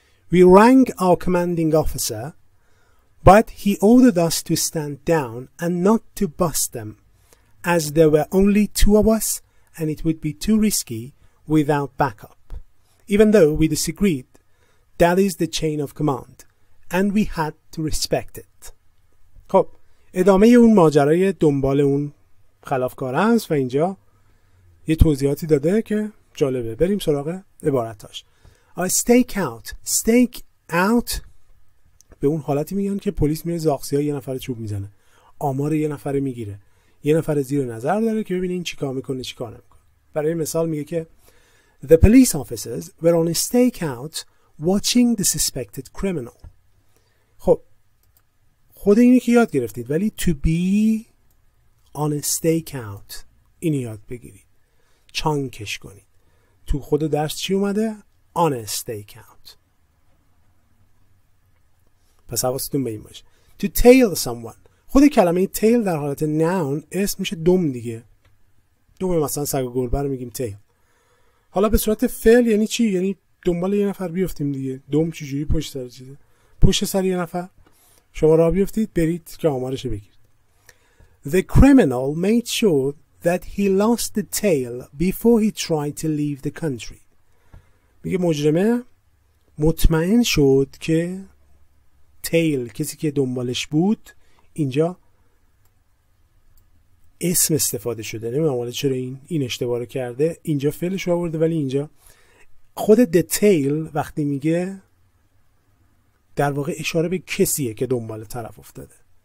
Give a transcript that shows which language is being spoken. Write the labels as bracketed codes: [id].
[en] We rang our commanding officer, but he ordered us to stand down and not to bust them, as there were only two of us and it would be too risky without backup, even though we disagreed. That is the chain of command, and we had to respect it. [fa] خب، ادامه اون ماجرای دنبال اون خلافکار است و اینجا یه توضیحاتی داده که جالبه. بریم سراغ عبارتاش. stake out. Stake out به اون حالتی میگن که پلیس میره زاغسی ها یه نفر چوب میزنه، آمار یه نفر میگیره، یه نفر زیر نظر داره که ببینه این چیکار میکنه چیکار نمیکنه. برای مثال میگه که [en] The police officers were on a stake out watching the suspected criminal. [fa] خب خود اینی که یاد گرفتید، ولی [en] to be on a stakeout [fa] اینو یاد بگیرید، چانکش کنید. تو خود درس چی اومده؟ [en] on a stakeout. [fa] پس حواستون به این باشه. [en] To tail someone. [fa] خود کلمه tail در حالت noun اسم میشه دم دیگه. دم مثلا سگ و گربه رو میگیم tail. حالا به صورت فعل یعنی چی؟ یعنی دنبال یه نفر بیافتیم دیگه. دم چجوری پشت سر چیزه؟ پشت سر یه نفر شما را بیافتید برید که آمارش بگیر. [en] The criminal made sure that he lost the tail before he tried to leave the country. [fa] میگه مجرمه مطمئن شد که تیل، کسی که دنبالش بود، اینجا اسم استفاده شده. نمیدونم حالا چرا این اشتباه رو کرده. اینجا فعلش رو آورده ولی اینجا خود the tail وقتی میگه در واقع اشاره به کسیه که دنبال طرف افتاده.